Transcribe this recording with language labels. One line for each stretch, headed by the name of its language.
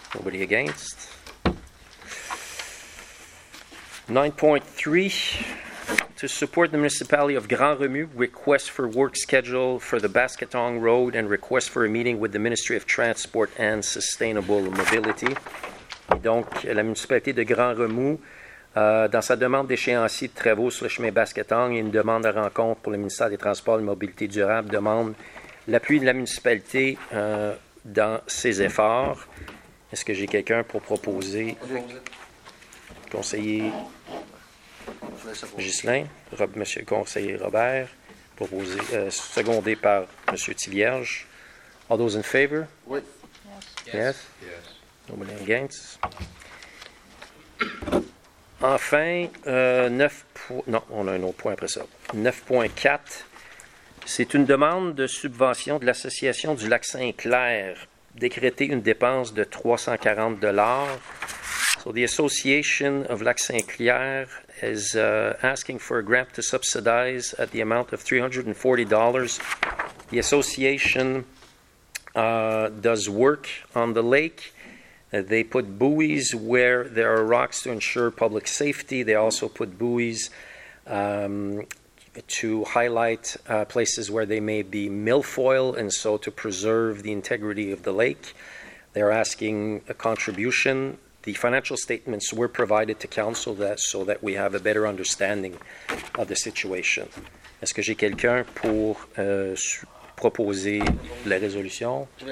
English: Nobody against? 9.3. To support the municipality of Grand Remue, request for work schedule for the Basketong Road and request for a meeting with the Ministry of Transport and Sustainable Mobility.
French: Donc, la municipalité de Grand Remue, dans sa demande d'échéancier de travaux sur le chemin Basketong et une demande de rencontre pour le ministère des Transports et de la Mobilité Durable, demande l'appui de la municipalité dans ses efforts. Est-ce que j'ai quelqu'un pour proposer? Conseiller Ghislain, Monsieur le conseiller Robert, proposé, secondé par Monsieur Thivierge.
English: All those in favor?
French: Oui.
English: Yes. Yes. Yes. Yes. Nobody against.
French: Enfin, 9. Non, on a un autre point après ça. 9.4. C'est une demande de subvention de l'Association du Lac Saint-Clair, décréter une dépense de $340.
English: So the Association of Lac Saint-Clair is asking for a grant to subsidize at the amount of $340. The association does work on the lake. They put buoys where there are rocks to ensure public safety. They also put buoys to highlight places where they may be milfoil, and so to preserve the integrity of the lake. They're asking a contribution The financial statements were provided to council so that we have a better understanding of the situation.
French: Est-ce que j'ai quelqu'un pour proposer la résolution?